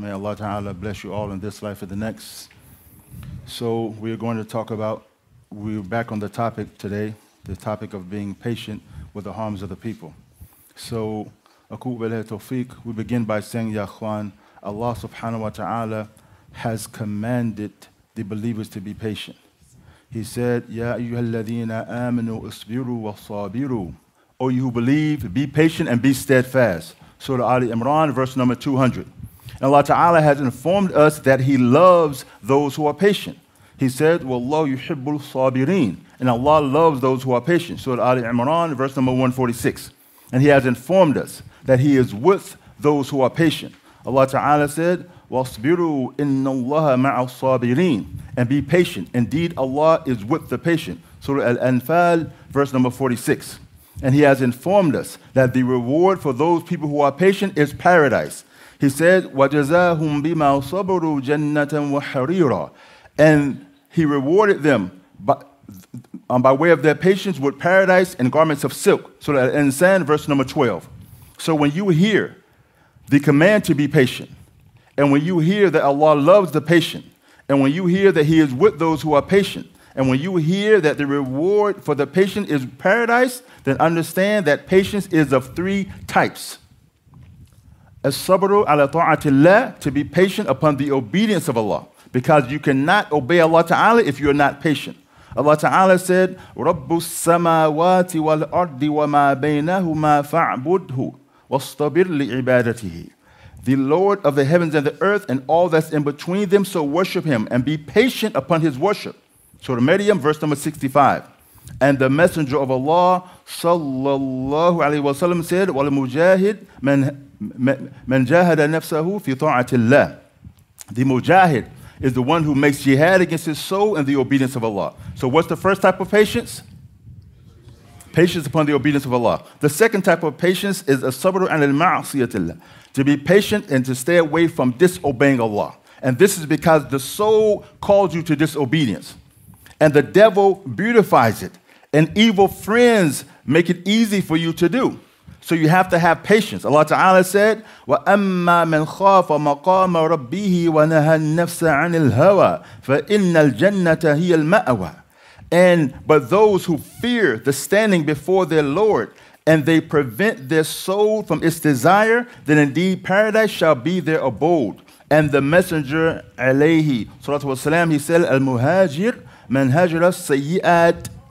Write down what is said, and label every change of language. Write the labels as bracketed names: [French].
[English] May Allah Ta'ala bless you all in this life and the next. So we're going to talk about, we're back on the topic today, the topic of being patient with the harms of the people. So, [Arabic] أقول بالله التوفيق, [English] we begin by saying, Ya Akhwan, Allah subhanahu wa ta'ala has commanded the believers to be patient. He said, [Arabic] Ya أيها الذين آمنوا اصبروا وصابروا. [English] O you who believe, be patient and be steadfast. Surah Ali Imran, verse number 200. And Allah Ta'ala has informed us that He loves those who are patient. He said, [Arabic] Wallahu yuhibbul sabirin. [English] And Allah loves those who are patient. Surah Ali Imran, verse number 146. And He has informed us that He is with those who are patient. Allah Ta'ala said, [Arabic] Wasbiru inna Allaha ma'a sabirin. [English] And be patient. Indeed, Allah is with the patient. Surah Al-Anfal, verse number 46. And He has informed us that the reward for those people who are patient is paradise. He said, [Arabic] وَجَزَاهُمْ بِمَا صَبَرُوا جَنَّةً وَحَرِيرًا. [English] And He rewarded them by way of their patience with paradise and garments of silk. Surah Al-Insan, verse number 12. So when you hear the command to be patient, and when you hear that Allah loves the patient, and when you hear that He is with those who are patient, and when you hear that the reward for the patient is paradise, then understand that patience is of three types. [Arabic] As-sabru ala ta'atillah, [English] to be patient upon the obedience of Allah. Because you cannot obey Allah Ta'ala if you're not patient. Allah Ta'ala said, [Arabic] رَبُّ السَّمَاوَاتِ وَالْأَرْضِ وَمَا بَيْنَهُمَا فَاعْبُدْهُ وَاصْطَبِرْ لِعِبَادَتِهِ. [English] The Lord of the heavens and the earth and all that's in between them, so worship Him and be patient upon His worship. Surah Maryam, verse number 65. And the Messenger of Allah, sallallahu alayhi wa sallam, said, [Arabic] وَالْمُجَاهِدْ مَنْ جَاهَدَ نَفْسَهُ فِي طَاعَةِ اللَّهِ. [English] The mujahid is the one who makes jihad against his soul and the obedience of Allah. So what's the first type of patience? Patience upon the obedience of Allah. The second type of patience is [Arabic] as-sabr 'ala al-ma'siyati Allah, [English] to be patient and to stay away from disobeying Allah. And this is because the soul calls you to disobedience. And the devil beautifies it. And evil friends make it easy for you to do. So you have to have patience. Allah Ta'ala said, [Arabic] وَأَمَّا مَنْ خَافَ مَقَامَ رَبِّهِ وَنَهَى النَّفْسَ عَنِ الْهَوَى فَإِنَّ الْجَنَّةَ هِيَ الْمَأْوَى. [English] And but those who fear the standing before their Lord, and they prevent their soul from its desire, then indeed paradise shall be their abode. And the Messenger, alayhi salatu wasalam, he said, [Arabic] Al-Muhajir man hajra sayyi'at.